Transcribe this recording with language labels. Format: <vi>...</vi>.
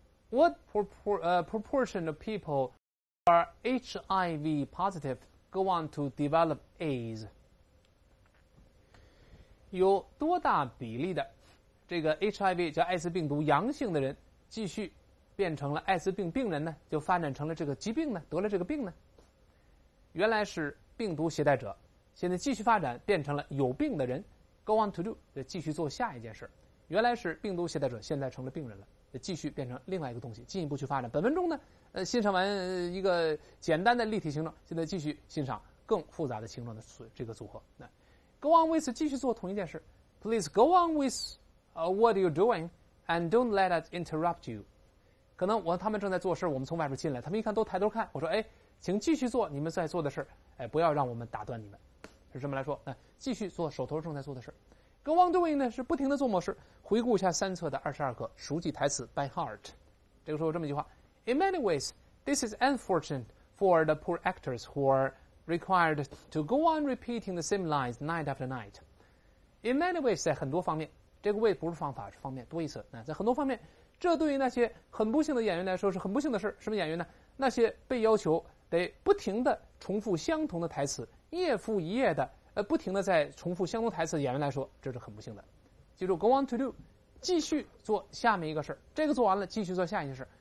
<en>What proportion of people are HIV positiveGo on to develop AIDS.</en> <zh>有多大比例的这个 HIV 叫艾滋病毒阳性的人继续变成了艾滋病病人呢？就发展成了这个疾病呢？得了这个病呢？原来是病毒携带者，现在继续发展变成了有病的人。</zh> <en>Go on to do,</en> <zh>就继续做下一件事。原来是病毒携带者，现在成了病人了，继续变成另外一个东西，进一步去发展。本文中呢欣赏完一个简单的立体形状，现在继续欣赏更复杂的形状的这个组合。</zh> <en>Go on with,</en> <zh>继续做同一件事。</zh> <en>Please go on with what you're doing and don't let it interrupt you.</en> <zh>可能他们正在做事，我们从外边进来，他们一看都抬头看，我说哎，请继续做你们在做的事，不要让我们打断你们。是这么来说，继续做手头正在做的事。</zh> <en>Go on doing</en> <zh>呢，是不停的做某事。回顾一下三册的二十二课，熟记台词</zh> <en>by heart。</en> <zh>这个时候这么一句话，</zh> <en>In many ways, this is unfortunate for the poor actors who are required to go on repeating the same lines night after night. In many ways,</en> <zh>在很多方面，这个 way 不是方法，是方面，多一次。在很多方面，这对于那些很不幸的演员来说是很不幸的事。什么演员呢？那些被要求得不停地重复相同的台词，夜复一夜的，不停地在重复相同台词的演员来说，这是很不幸的。记住</zh> <en>go on to do,</en> <zh>继续做下面一个事，这个做完了，继续做下一件事。</zh>